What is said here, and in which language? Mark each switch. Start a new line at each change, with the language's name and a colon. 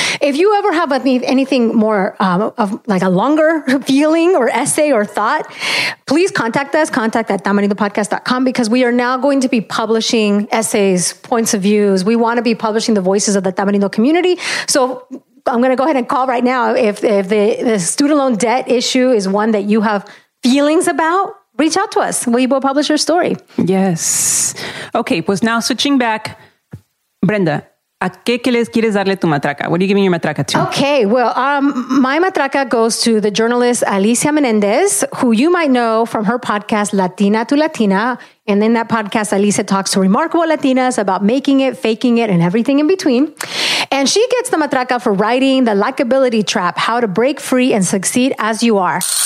English: If you ever have anything more of like a longer feeling or essay or thought, please contact us, contact@tamarindopodcast.com, because we are now going to be publishing essays, points of views. We want to be publishing the voices of the Tamarindo community. So I'm going to go ahead and call right now. If the student loan debt issue is one that you have feelings about, reach out to us. We will publish your story. Yes. Okay.
Spanish: Pues now switching back, Brenda, ¿a qué que les quieres darle tu matraca?
English: What are you giving your matraca to? Okay, well, my matraca goes to the journalist Alicia Menendez, who you might know from her podcast, Latina to Latina. And in that podcast, Alicia talks to remarkable Latinas about making it, faking it, and everything in between. And she gets the matraca for writing The Likeability Trap, How to Break Free and Succeed as You Are.